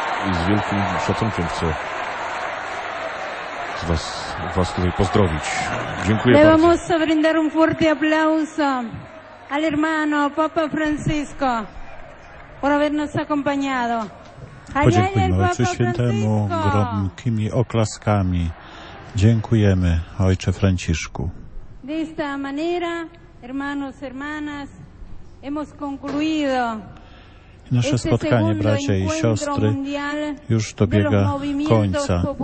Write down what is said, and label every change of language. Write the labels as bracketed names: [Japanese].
[Polish] I z wielkim szacunkiem chcę was tutaj pozdrowić. Dziękuję le bardzo. [Spanish] Vamos a brindar un fuerte aplauso al hermano Papa Francisco por habernos acompañado. [Polish] Podziękujmy Ojcze Świętemu gromkimi oklaskami. Dziękujemy Ojcze Franciszku. [Spanish] De esta manera, hermanos, hermanas, hemos concluido. [Polish] Nasze spotkanie, bracia i siostry, już dobiega końca.